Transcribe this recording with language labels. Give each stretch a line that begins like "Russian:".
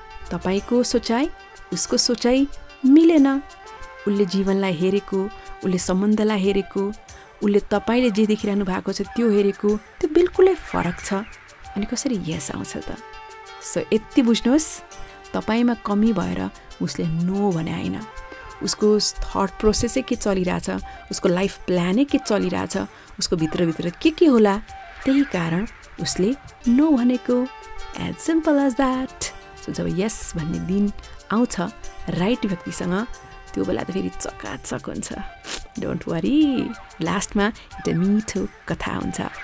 Nepali: तपाईँको सोचाइ, उसको सोचाइ मिलेन. उसले जीवनलाई हेरेको, उसले सम्बन्धलाई हेरेको, उसले तपाईँले जे देखिरहनु भएको छ त्यो हेरेको, त्यो बिल्कुलै फरक छ. अनि कसरी यस आउँछ त? सो यति बुझ्नुहोस्, तपाईँमा कमी भएर उसले नो भने होइन. उसको थट प्रोसेसै के चलिरहेछ, उसको लाइफ प्लानै के चलिरहेछ, उसको भित्रभित्र के होला, त्यही कारण उसले नो भनेको.
English: As simple as that.
Nepali: So जब यस भन्ने दिन आउँछ राइट व्यक्तिसँग, त्यो बेला त फेरि चकाचक हुन्छ.
English: don't worry,
Nepali: लास्टमा एउटा मिठो कथा हुन्छ.